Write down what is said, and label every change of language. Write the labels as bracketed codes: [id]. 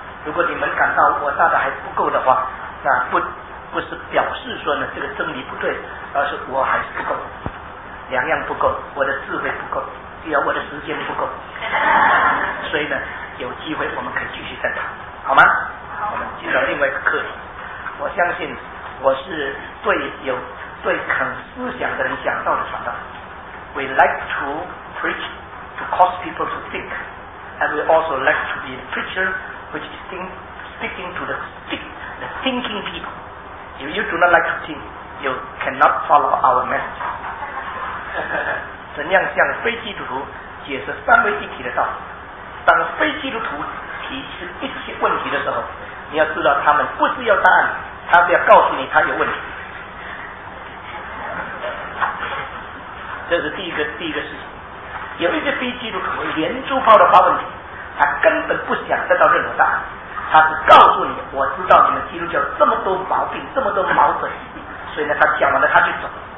[zh] 如果你们感到我答的还不够的话，那不是表示说呢这个真理不对，而是我还是不够，两样不够，我的智慧不够，只要我的时间不够，所以呢有机会我们可以继续再谈，好吗？好，我们进到另外一个课题。我相信我是对有最肯思想的人讲道的传道。 [en] We like to preach to cause people to think, and we also like to be a preacher which is speaking to the thinking people. If you do not like to think, you cannot follow our message. [zh] 怎样向非基督徒解释三位一体的道？当非基督徒提出一些问题的时候，你要知道他们不是要答案，他是要告诉你他有问题。这是第一个事情。有一个非基督徒连珠炮的发问题，他根本不想得到任何答案，他是告诉你我知道你们基督教这么多毛病，这么多毛病，所以呢他讲完了他就走。